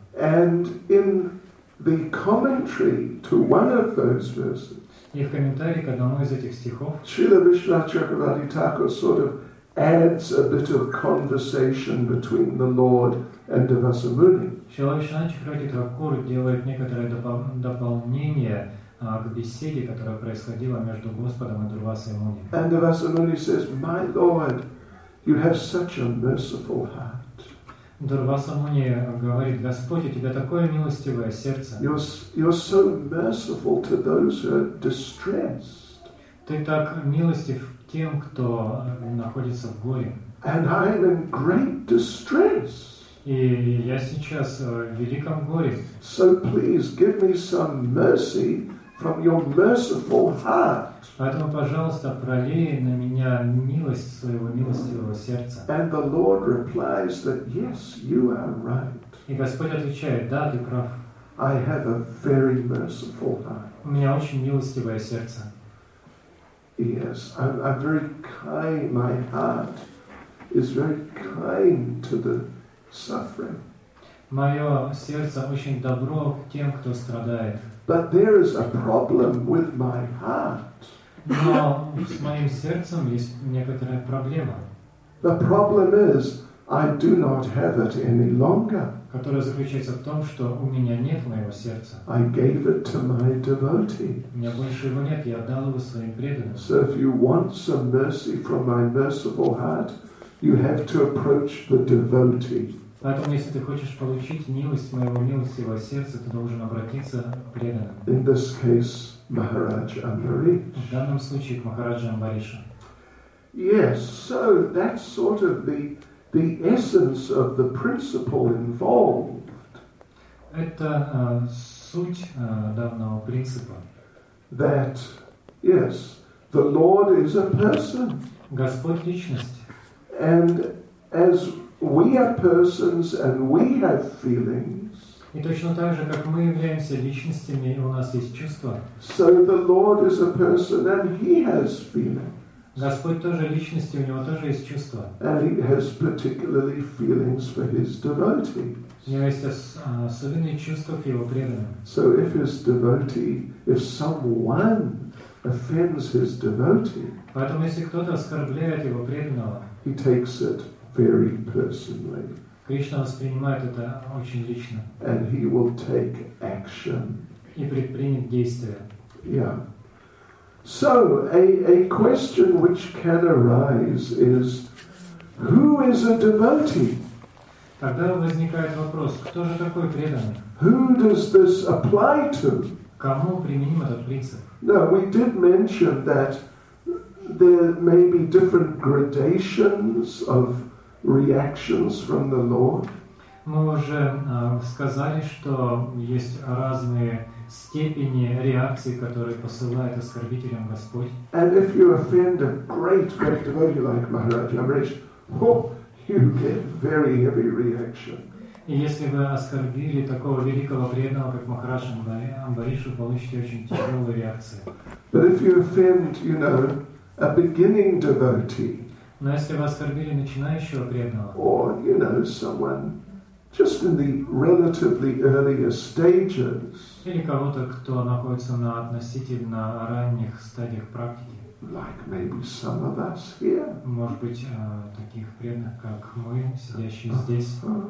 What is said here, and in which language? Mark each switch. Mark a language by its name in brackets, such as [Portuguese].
[English] And in the commentary to one of those verses. [Russian] И в комментарии к одному из этих стихов. [English] Srila Vishnu Chakravarti Thakur sort of adds a bit of conversation between the Lord and Durvasa Muni. [Russian] Srila Vishnu Chakravarti Thakur делает некоторое дополнение к беседе, которая происходила между Господом и Дурвасой Муни. [English] And Durvasa Muni says, "My Lord, you have such a merciful heart." [Russian] Дурваса Муни говорит: "Господь, у тебя такое милостивое сердце." [English] You're so merciful to those who are distressed. [Russian] Ты так милостив тем, кто находится в горе. [English] And I'm in great distress. [Russian] И я сейчас в великом горе. [English] So please give me some mercy from your merciful heart. [Russian] Поэтому, пожалуйста, пролей на меня милость своего милостивого сердца. [English] And the Lord replies that yes, you are right. [Russian] И Господь отвечает: да, ты прав. [English] I have a very merciful heart. [Russian] У меня очень милостивое сердце. [English] Yes, I'm very kind. My heart is very kind to the suffering. [Russian] Мое сердце очень добро к тем, кто страдает. [English] But there is a problem with my heart. [Russian] Но с моим сердцем есть некоторая проблема. [English] The problem is I do not have it any longer. [Russian] Которая заключается в том, что у меня нет моего сердца. [English] I gave it to my devotee. [Russian] У меня больше его нет, я отдал его своим преданным. [English] So if you want some mercy from my merciful heart, you have to approach the devotee. [Russian] Поэтому, если ты хочешь получить милость моего милостивого сердца, ты должен обратиться к преданным. [English] In this case, Maharaj Ambarish. [Russian] В данном случае к Махараджу Амбаришу. [English] Yes, so that's sort of the essence of the principle involved. [Russian] Это суть данного принципа. [English] That, yes, the Lord is a person. [Russian] Господь — личность. [English] And as we are persons and we have feelings. [Russian] И точно так же, как мы являемся личностями, и у нас есть чувства. [English] So the Lord is a person, and He has feelings. [Russian] Господь тоже личность, и у него тоже есть чувства. [English] And He has particularly feelings for His devotees. [Russian] У него есть особенные чувства к его преданным. [English] So if his devotee, if someone offends his devotee, [Russian] поэтому если кто-то оскорбляет его преданного, [English] he takes it very personally. [Russian] Кришна воспринимает это очень лично. [English] And he will take action. [Russian] И предпринят действия. [English] Yeah. So a question which can arise is, who is a devotee? [Russian] Тогда возникает вопрос, кто же такой преданный? [English] Who does this apply to? [Russian] Кому применим этот принцип? [English] No, we did mention that there may be different gradations of reactions from the Lord. [Russian] Мы уже сказали, что есть разные степени реакции, которые посылает оскорбителям Господь. [English] And if you offend a great devotee like Maharaj Amrish, you get very heavy reaction. [Russian] И если вы оскорбили такого великого преданного, как Махарадж Амбариш, вы получите очень тяжелую реакцию. [English] But if you offend, you know, a beginning devotee, [Russian] но если вы оскорбили начинающего преданного, [English] or, you know, someone just in the relatively earlier stages, [Russian] или кого-то, кто находится на относительно ранних стадиях практики, [English] like maybe some of us here, [Russian] может быть, таких преданных, как мы, сидящие здесь,